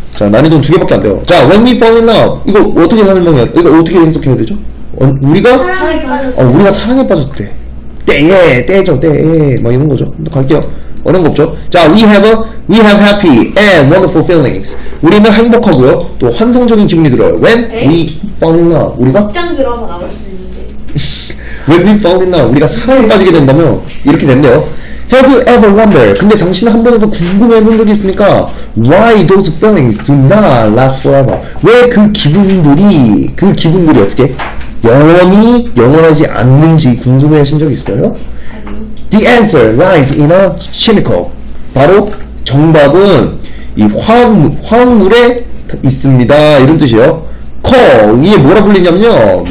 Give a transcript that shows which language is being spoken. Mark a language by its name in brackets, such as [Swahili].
[Korean] 자, 난이도는 두 개밖에 안 돼요. [English] 자, when we fall in love. [Korean] 이거 어떻게 설명해? 이거 어떻게 해석해야 되죠? 우리가 사랑에 빠졌을 우리가 사랑에 빠졌을 때. 때에, 때죠, 때에. 막 이런 거죠. 갈게요. 어려운 거 없죠. [English] 자, we have happy and wonderful feelings. [Korean] 우리는 행복하고요. 또 환상적인 기분이 들어요. [English] When we fall in love. [Korean] 우리가? 극장 드라마 나올 수 있는데. [English] When we fall in love. [Korean] 우리가 사랑에 빠지게 된다면 이렇게 된대요. [English] Have you ever wondered? [Korean] 근데 당신은 한 번에도 궁금해 본 적이 있습니까? [English] Why those feelings do not last forever? [Korean] 왜 그 기분들이 어떻게 영원히 영원하지 않는지 궁금해 하신 적 있어요? [English] The answer lies in a chemical. [Korean] 바로 정답은 이 화학물에 있습니다. 이런 뜻이에요. Call 이게 뭐라 불리냐면요.